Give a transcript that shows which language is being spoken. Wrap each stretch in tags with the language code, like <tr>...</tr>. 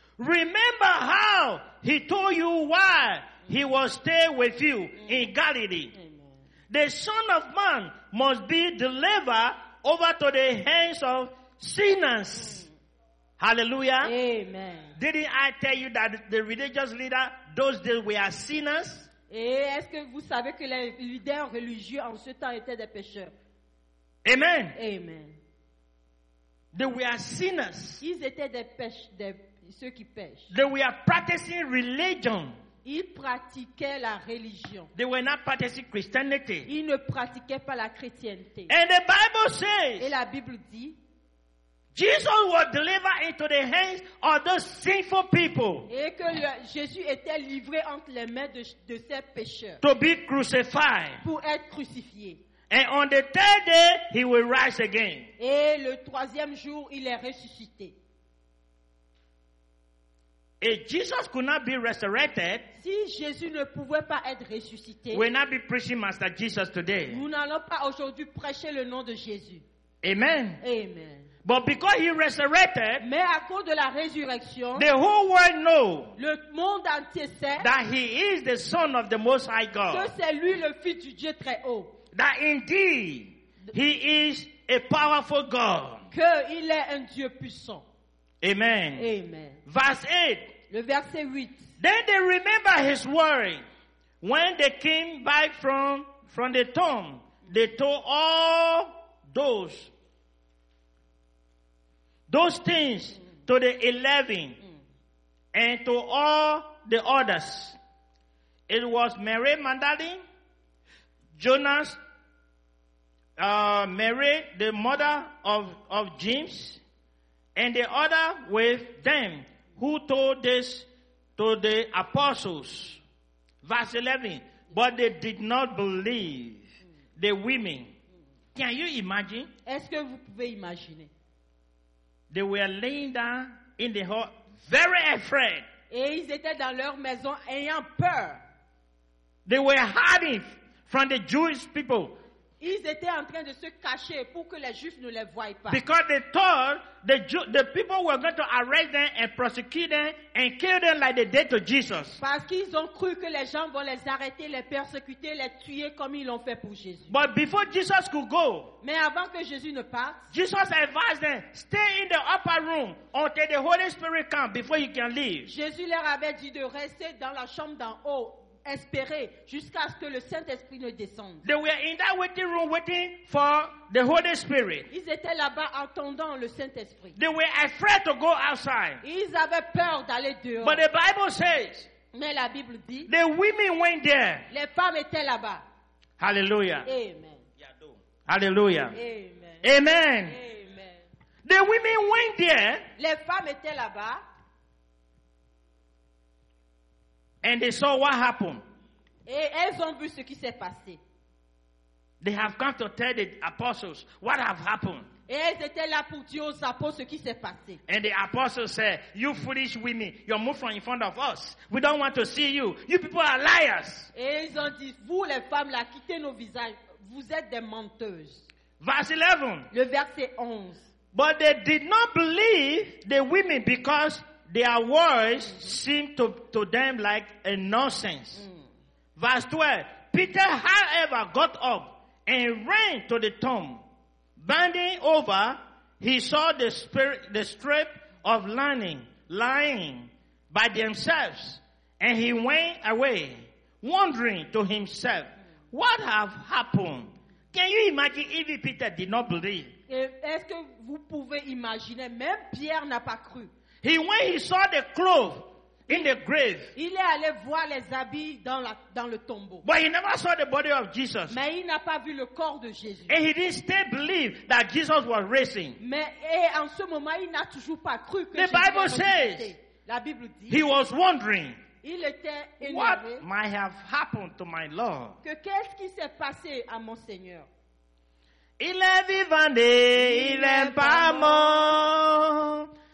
<en>Remember how he told you why he will stay with you in Galilee. Amen. The Son of Man must be delivered over to the hands of sinners. Hallelujah. Amen. Didn't I tell you that the religious leader, those days were sinners?</en> <fr>Et est-ce que vous savez que les leaders religieux en ce temps étaient des pécheurs?</fr> <en>Amen. Amen. They were sinners.</en> <fr>Ils étaient des ceux qui pêchent.</fr> <en>They were practicing religion.</en> <fr>Ils pratiquaient la religion.</fr> <en>They were not practicing Christianity.</en> <fr>Ils ne pratiquaient pas la chrétienté.</fr> <en>And the Bible says,</en> <fr>et la Bible dit,</fr> <en>Jesus was delivered into the hands of those sinful people.</en> <fr>Et que Jésus était livré entre les mains de ces pécheurs.</fr> <en>To be crucified.</en> <fr>Pour être crucifié.</fr> <en>And on the third day, he will rise again.</en> <fr>Et le troisième jour, il est ressuscité.</fr> <en>If Jesus could not be resurrected,</en> <fr>si Jésus ne pouvait pas être ressuscité,</fr> <en>we will not be preaching Master Jesus today.</en> <fr>Nous n'allons pas aujourd'hui prêcher le nom de Jésus.</fr> <en>Amen. Amen. But because he resurrected,</en> <fr>mais à cause de la résurrection,</fr> <en>the whole world knows,</en> <fr>le monde entier sait,</fr> <en>that he is the Son of the Most High God.</en> <fr>Que c'est lui le Fils du Dieu très haut.</fr> <en>That indeed he is a powerful God.</en> <fr>Que il est un Dieu puissant.</fr> <en>Amen. Amen. Verse 8.</en> <fr>Le verset 8.</fr> <en>Then they remember his word. When they came back from the tomb, they told all those things to the 11 and to all the others. It was Mary Magdalene, Jonas, Mary, the mother of James, and the other with them who told this to the apostles. Verse 11. But they did not believe the women. Can you imagine?</en> <fr>Est-ce que vous pouvez imaginer?</fr> <en>They were laying down in the hall, very afraid.</en> <fr>Et ils étaient dans leur maison ayant peur.</fr> <en>They were hiding from the Jewish people.</en> <fr>Ils étaient en train de se cacher pour que les Juifs ne les voient pas.</fr> <en>Because they thought the people were going to arrest them and prosecute them and kill them like they did to Jesus.</en> <fr>Parce qu'ils ont cru que les gens vont les arrêter, les persécuter, les tuer comme ils l'ont fait pour Jésus.</fr> <en>But before Jesus could go,</en> <fr>mais avant que Jésus ne parte,</fr> <en>Jesus advised them, stay in the upper room until the Holy Spirit comes before you can leave.</en> <fr>Jésus leur avait dit de rester dans la chambre d'en haut. Espérer jusqu'à ce que le Saint-Esprit ne descende.</fr> <en>They were in that waiting room waiting for the Holy Spirit.</en> <fr>Ils étaient là-bas attendant le Saint-Esprit.</fr> <en>They were afraid to go outside.</en> <fr>Ils avaient peur d'aller dehors.</fr> <en>But the Bible says,</en> <fr>mais la Bible dit,</fr> <en>the women went there.</en> <fr>Les femmes étaient là-bas.</fr> <en>Hallelujah. Amen. Hallelujah. Amen. Amen. Amen. The women went there.</en> <fr>Les femmes étaient là-bas.</fr> <en>And they saw what happened.</en> <fr>Et elles ont vu ce qui s'est passé.</fr> <en>They have come to tell the apostles what have happened.</en> <fr>Et elles étaient là pour dire aux apôtres ce qui s'est passé.</fr> <en>And the apostles said, you foolish women, you're moved from in front of us. We don't want to see you. You people are liars.</en> <fr>Et ils ont dit, vous les femmes là, quittez nos visages. Vous êtes des menteuses.</fr> <en>Verse 11.</en> <fr>Le verset 11.</fr> <en>But they did not believe the women because their words seemed to them like a nonsense. Verse 12. Peter, however, got up and ran to the tomb. Bending over, he saw the strip of linen lying by themselves. And he went away, wondering to himself, what have happened? Can you imagine even Peter did not believe?</en> <fr>Est-ce que vous pouvez imaginer, même Pierre n'a pas cru.</fr> <en>When he saw the clothes in the grave,</en> <fr>il est allé voir les habits dans le tombeau.</fr> <en>But he never saw the body of Jesus.</en> <fr>Mais il n'a pas vu le corps de Jésus.</fr> <en>And he didn't still believe that Jesus was raising.</en> <fr>Mais et en ce moment, il n'a toujours pas cru que</fr> <en>the</en> <fr>Jésus</fr> <en>Bible says,</en> <fr>la Bible dit,</fr> <en>he was wondering,</en> <fr>il était énervé,</fr> <en>what might have happened to my Lord?</en> <fr>Que qu'est-ce qui s'est passé à mon Seigneur? Il est vivant et il n'est pas mort.</fr>